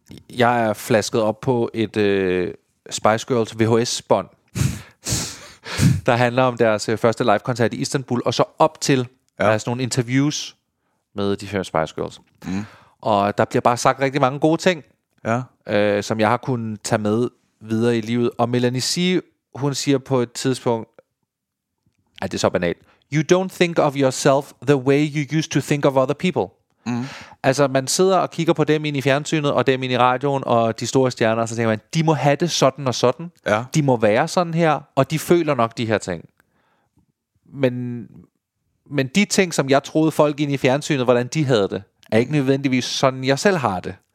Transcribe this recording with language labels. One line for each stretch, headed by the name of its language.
Danish: jeg er flasket op på et Spice Girls VHS-bånd, der handler om deres første live-koncert i Istanbul, og så op til, der er sådan nogle interviews med de her Spice Girls. Og der bliver bare sagt rigtig mange gode ting, som jeg har kunnet tage med videre i livet. Og Melanie C, hun siger på et tidspunkt, at det er så banalt,
English: you don't think of yourself the way you used to think of other people.
Danish: Altså man sidder og kigger på dem ind i fjernsynet og dem ind i radioen og de store stjerner, og så tænker man, de må have det sådan og sådan. Ja. De må være sådan her, og de føler nok de her ting. Men de ting, som jeg troede folk ind i fjernsynet, hvordan de havde det, er ikke nødvendigvis sådan, jeg selv har det.